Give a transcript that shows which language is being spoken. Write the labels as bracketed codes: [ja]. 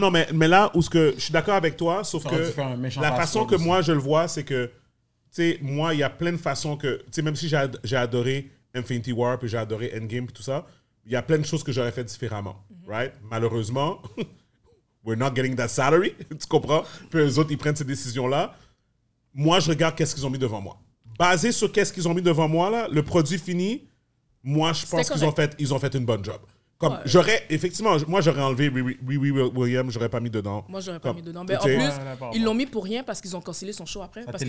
[fr] Non, non, mais là où ce que je suis d'accord avec toi, sauf que la façon que moi je le vois, c'est que tu sais, moi il y a plein de façons que tu sais, même si j'ai adoré Infinity War puis j'ai adoré Endgame puis tout ça, il y a plein de choses que j'aurais fait différemment, right? Malheureusement, [en] we're not getting that salary, [fr] tu comprends? Puis les autres ils prennent ces décisions là. Moi je regarde qu'est-ce qu'ils ont mis devant moi. Basé sur qu'est-ce qu'ils ont mis devant moi, là, le produit fini, moi, je pense qu'ils ont fait, une bonne job. Comme j'aurais, effectivement, moi, j'aurais enlevé William, j'aurais pas mis dedans. Moi, j'aurais pas mis dedans. Mais en plus, ils l'ont mis pour rien parce qu'ils ont cancellé son show après.